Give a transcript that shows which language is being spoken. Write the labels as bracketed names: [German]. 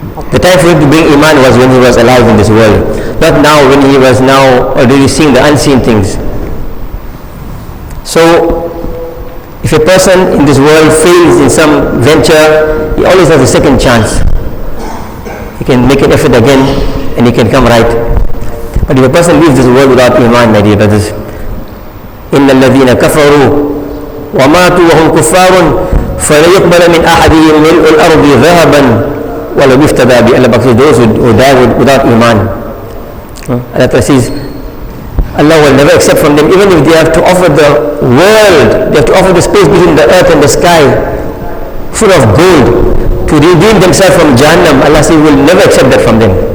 [English] The time for him to bring iman was when he was alive in this world, not now when he was now already seeing the unseen things. So, if a person in this world fails in some venture, he always has a second chance. you can make an effort again and you can come right. But if a person leaves this world without iman, my dear brothers, [Arabic] إِنَّ الَّذِينَ كَفَرُوا وَمَاتُوا وَهُمْ كُفَّارٌ فَلَيُقْبَلَ مِنْ أَحَدِهِمْ مِلْءُ الْأَرْضِ ذَهَبًا وَلَوْ يُفْتَدَى بِهِ. [English] Allah says, those who die without iman, Allah says, Allah will never accept from them, even if they have to offer the world, they have to offer the space between the earth and the sky full of gold to redeem themselves from Jahannam, Allah says, will never accept that from them.